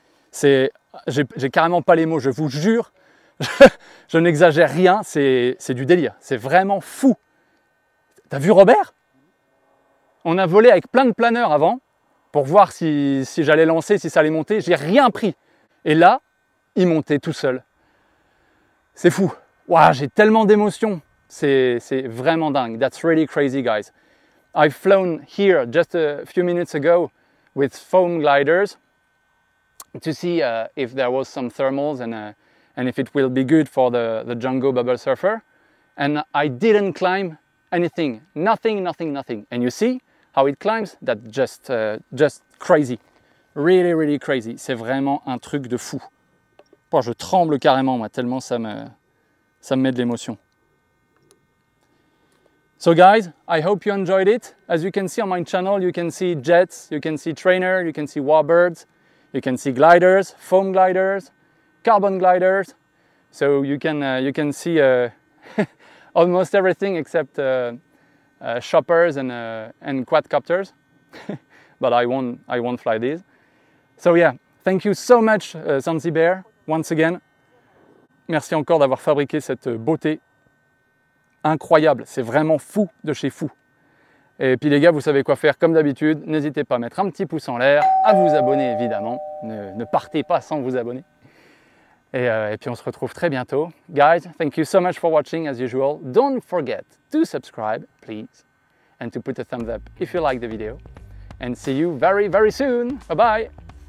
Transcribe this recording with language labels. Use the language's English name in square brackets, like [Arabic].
[French] C'est, j'ai carrément pas les mots, je vous jure, je n'exagère rien, c'est du délire, c'est vraiment fou. T'as vu Robert? On a volé avec plein de planeurs avant, pour voir si j'allais lancer, si ça allait monter, j'ai rien pris. Et là, il montait tout seul. C'est fou, wow, j'ai tellement d'émotions, c'est vraiment dingue. [English] That's really crazy, guys. I've flown here just a few minutes ago with foam gliders to see if there was some thermals and if it will be good for the Django bubble surfer. And I didn't climb anything, nothing, nothing, nothing. And you see how it climbs? That's just crazy. Really, really crazy. [French] C'est vraiment un truc de fou. Oh, je tremble carrément, moi, tellement ça me met de l'émotion. [English] So guys, I hope you enjoyed it. As you can see on my channel, you can see jets, you can see trainer, you can see warbirds, you can see gliders, foam gliders, carbon gliders. So you can see almost everything except shoppers and quadcopters. But I won't fly these. So yeah, thank you so much Zanzibar once again. [French] Merci encore d'avoir fabriqué cette beauté. Incroyable, c'est vraiment fou de chez fou. Et puis les gars, vous savez quoi faire comme d'habitude. N'hésitez pas à mettre un petit pouce en l'air, à vous abonner évidemment. Ne partez pas sans vous abonner. Et puis on se retrouve très bientôt. [English] Guys, thank you so much for watching as usual. Don't forget to subscribe, please. And to put a thumbs up if you like the video. And see you very, very soon. Bye bye.